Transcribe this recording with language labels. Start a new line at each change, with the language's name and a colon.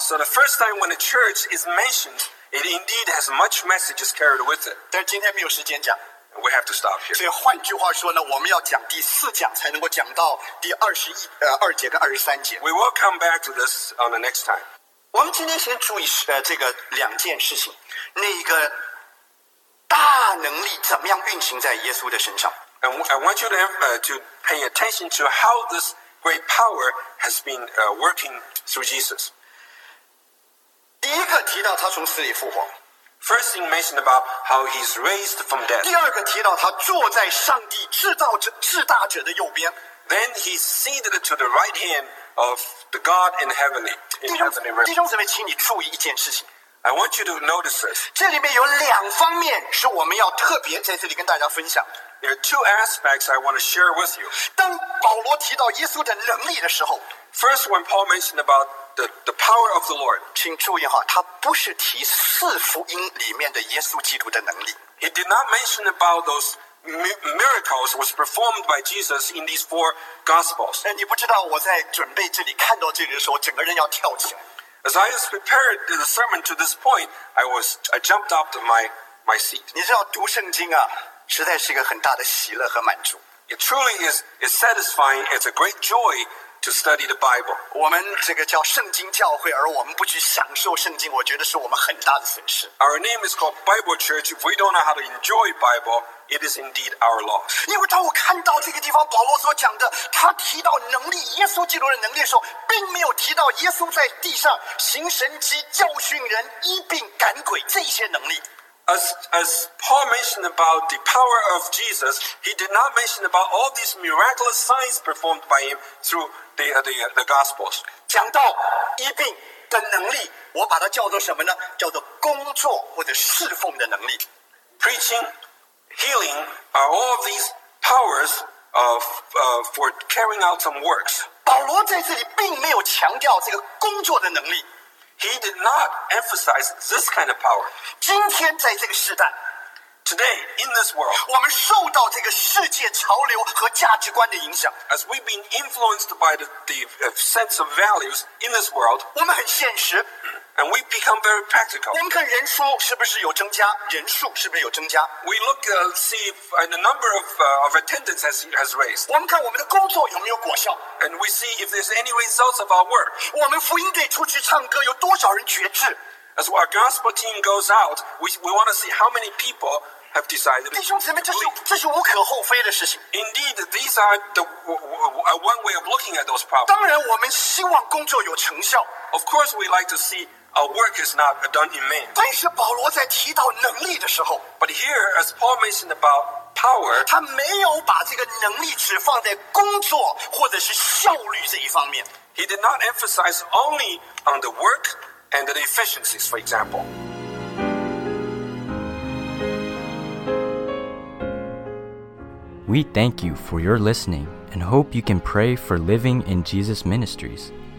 English: So the first time when the church is mentioned, it indeed has much messages carried with it.
Chinese: 但今天没有时间讲。
English: We have to stop here.
Chinese: 所以换句话说呢，我们要讲第四讲才能够讲到第二十一二节跟二十三节。
English: We will come back to this on the next time.
Chinese: 我们今天先注意这个两件事情，那一个。大能力怎么样运行在耶稣的身上
English: I want you to pay attention to how this great power has been working through Jesus.
Chinese: 第一个提到他从死里复活。
English: First thing mentioned about how he's raised from death.
Chinese: 第二个提到他坐在上帝至大者的右边。
English: Then he seated to the right hand of the God in heavenly realm.
Chinese: 弟兄姊妹，请你注意一件事情。
English: I want you to notice this.
Chinese: 这里面有两方面是我们要特别在这里跟大家分享。
English: There are two aspects I want to share with you.
Chinese: 当保罗提到耶稣的能力的时候
English: ，First, when Paul mentioned aboutThe power of the Lord.
Chinese: 请注意哈，他不是提四福音里面的耶稣基督的能力。
English: He did not mention about those miracles was performed by Jesus in these four gospels.
Chinese: 你不知道我在准备这里看到这里的时候，整个人要跳起来。
English: As I was prepared the sermon to this point, I jumped up to my seat.
Chinese: 你知道读圣经啊，实在是一个很大的喜乐和满足。
English: It truly is satisfying. It's a great joy. To study the Bible,
Chinese: 我们这个叫圣经教会，而我们不去享受圣经，我觉得是我们很大的损失。
English: Our name is called Bible Church. If we don't know how to enjoy Bible, it is indeed our loss.
Chinese: 因为当我看到这个地方保罗所讲的，他提到能力，耶稣基督的能力的时候，并没有提到耶稣在地上行神迹、教训人、医病、赶鬼这些能力。
English: As Paul mentioned about the power of Jesus, he did not mention about all these miraculous signs performed by him through the Gospels.
Chinese: 讲到医病的能力，我把它叫做什么呢？叫做工作或者侍奉的能力。
English: Preaching, healing are all of these powers for carrying out some works.
Chinese: 保罗在这里并没有强调这个工作的能力。
English: He did not emphasize this kind of power.
Chinese: 今天在这个时代
English: today in this world,
Chinese: 我们受到这个世界潮流和价值观的影响
English: as we've been influenced by the sense of values in this world,
Chinese: 我们很现实
English: and we've become very practical.
Chinese: 我们看人数是不是有增加？人数是不是有增加
English: ？We look see if the number of attendance has raised.
Chinese: 我们看我们的工作有没有果效？
English: And we see if there's any results of our work.
Chinese: 我们福音队出去唱歌，有多少人觉知
English: ？As our gospel team goes out, we want to see how many people have decided.
Chinese: 弟兄姊妹，这是无可厚非的事情。
English: Indeed, these are the one way of looking at those problems.
Chinese: 当然，我们希望工作有成效。
English: Of course, we like to see our work is not done in vain.
Chinese: 但是保罗在提到能力的时候
English: ，But here, as Paul mentioned about. Power,
Chinese: 他没有把这个能力只放在工作或者是效率这一方面。
English: He did not emphasize only on the work and the efficiencies, for example. We thank you for your listening and hope you can pray for Living in Jesus Ministries.